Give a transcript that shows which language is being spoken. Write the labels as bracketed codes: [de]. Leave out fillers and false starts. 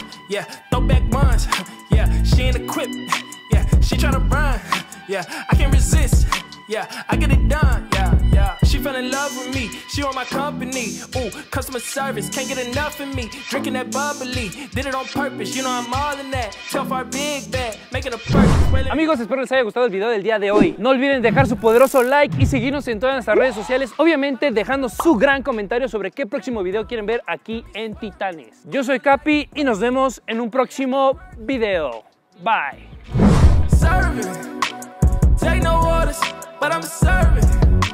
[en] Yeah, throwback buns. Yeah, she ain't equipped. Yeah, she tryna run. Yeah, I can't resist. Yeah, I get it done. Yeah. She fell in love with me, she want my company. Ooh, customer service, can't get enough of me. Drinking that bubbly, did it on purpose. You know I'm all in that, so far big bet. Making a perfect. [es] Amigos, espero les haya gustado el video del día de hoy. No olviden dejar su poderoso like y seguirnos en todas nuestras redes sociales. Obviamente dejando su gran comentario sobre qué próximo video quieren ver aquí en Titanes. Yo soy Capi y nos vemos en un próximo video. [en] Bye. Serving, take no orders, but I'm serving.